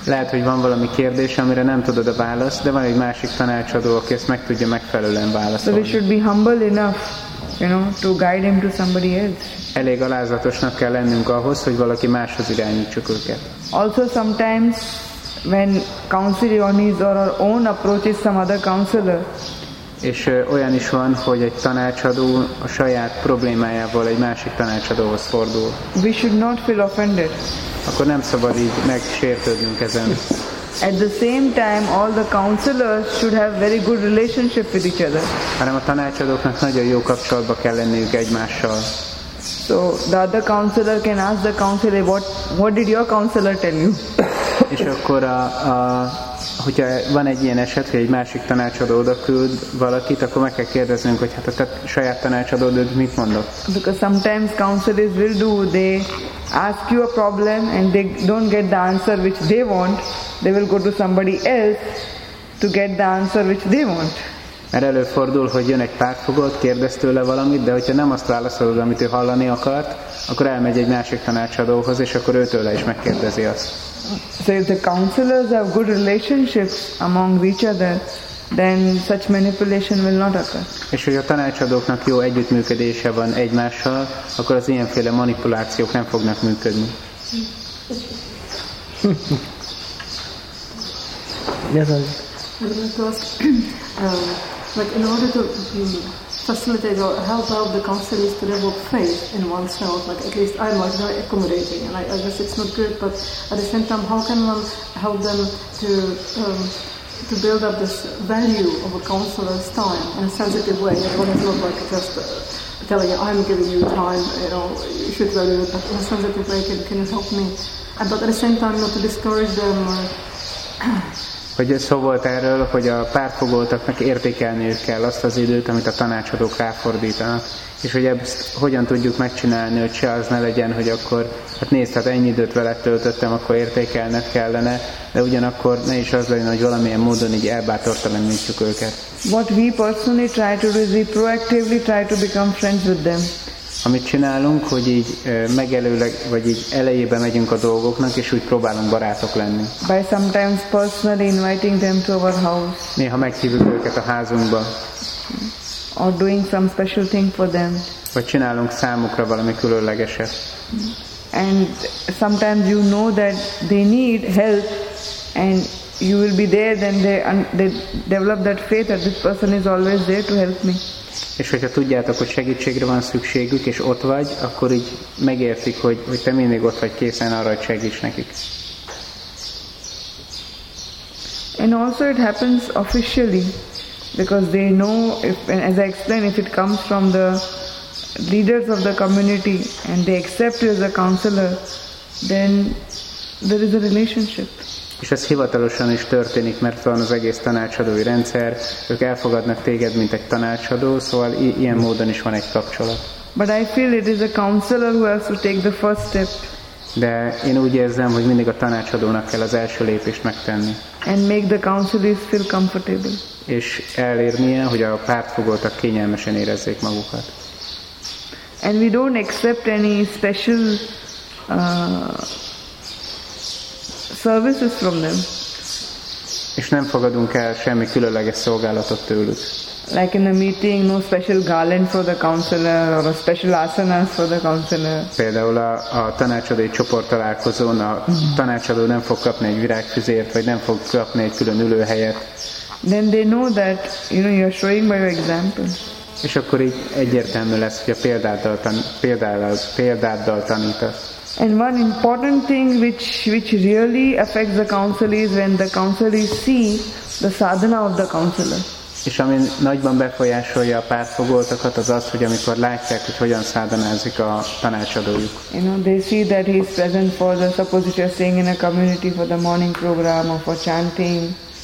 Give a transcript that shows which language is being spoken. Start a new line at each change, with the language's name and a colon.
Hungarian: Lehet, hogy van valami kérdés, amire nem tudod a választ, de van egy másik tanácsadó, aki ezt meg tudja megfelelően válaszolni.
English: So we should be humble enough, you know, to guide him to somebody else.
Hungarian: Elég alázatosnak kell lennünk ahhoz, hogy valaki máshoz irányítsuk őket.
English: Also sometimes when counselor on his or our own approaches some other counselor.
Hungarian: És olyan is van, hogy egy tanácsadó a saját problémájával egy másik tanácsadóhoz fordul.
English: We should not feel offended.
Hungarian: Akkor nem szabad így megsértődnünk ezen.
English: At the same time, all the counselors should have very good relationship with each other.
Hungarian: Hanem a tanácsadóknak nagyon jó kapcsolatba kell lenniük egymással.
English: So the other counselor can ask the counselor, what did your counselor tell you?
Hungarian: És akkor hogyha van egy ilyen eset, hogy egy másik tanácsadó oda küld valakit, akkor meg kell kérdeznünk, hogy hát a te saját tanácsadód mit mondott?
English: Because sometimes counselors will do, they ask you a problem and they don't get the answer which they want, they will go to somebody else to get the answer which they want.
Hungarian: Mert előfordul, hogy jön egy pártfogót, kérdez tőle valamit, de hogyha nem azt válaszolod, amit ő hallani akart, akkor elmegy egy másik tanácsadóhoz, és akkor ő tőle is megkérdezi azt.
English: So if the counselors have good relationships among each other, then such manipulation will not occur.
Hungarian: És hogy a tanácsadóknak jó együttműködése van egymással, akkor az ilyenféle manipulációk nem fognak működni.
English: Yes, I like in order to facilitate or help out the counselors to develop faith in oneself, like at least I'm not very accommodating, and I guess it's not good, but at the same time, how can one help them to build up this value of a counselor's time in a sensitive way, and one is not like just telling you, I'm giving you time, you know, you should value it, but in a sensitive way, can you help me? And but at the same time, not to discourage them.
Hungarian: Hogy szó volt erről, hogy a pártfogoltaknak értékelniük kell azt az időt, amit a tanácsadók ráfordítanak, és hogy ezt hogyan tudjuk megcsinálni, hogy se az ne legyen, hogy akkor, hát nézd, hát ennyi időt veled töltöttem, akkor értékelned kellene, de ugyanakkor ne is az legyen, hogy valamilyen módon így elbátortalanítjuk őket.
English: What we personally try to do is we proactively try to become friends with them.
Hungarian: Amit csinálunk, hogy így megelőleg, vagy így elejébe megyünk a dolgoknak, és úgy próbálunk barátok lenni.
English: By sometimes personally inviting them to our house.
Hungarian: Néha meghívjuk őket a házunkba.
English: Or doing some special thing for them.
Hungarian: Vagy csinálunk számukra valami különlegeset.
English: And sometimes you know that they need help, and you will be there, then they develop that faith that this person is always there to help me.
Hungarian: És hogyha tudjátok, hogy segítségre van szükségük, és ott vagy, akkor így megértik, hogy te mindig ott vagy készen arra, hogy segíts nekik.
English: And also it happens officially, because they know, if, as I explained, if it comes from the leaders of the community, and they accept you as a counselor, then there is a relationship.
Hungarian: És ez hivatalosan is történik, mert van az egész tanácsadói rendszer, ők elfogadnak téged, mint egy tanácsadó, szóval ilyen módon is van egy kapcsolat.
English: But I feel it is a counselor who has to take the first step.
Hungarian: De én úgy érzem, hogy mindig a tanácsadónak kell az első lépést megtenni.
English: And make the counselors feel comfortable.
Hungarian: És elérnie, hogy a pártfogoltak kényelmesen érezzék magukat.
English: And we don't accept any special services from them.
Hungarian: És nem fogadunk el semmi különleges szolgálatot tőlük.
English: Like in a meeting, no special garland for the counselor or a special asanas for the counselor.
Hungarian: Például a tanácsadói csoport találkozón a tanácsadó nem fog kapni egy virágfüzért, vagy nem fog kapni egy külön ülőhelyet.
English: Then they know that, you know, you're showing by your example.
Hungarian: És akkor így egyértelmű lesz, hogy a példáddal tanítasz.
English: And one important thing which really affects the counselee is when the counselee see the sadhana of the counselor.
Hungarian: És ami nagyban befolyásolja a pártfogoltakat, az az, hogy amikor látják, hogy hogyan szádanázik a tanácsadójuk.
English: You know, they see that he's present for the supposed staying in a community for the morning program or for chanting.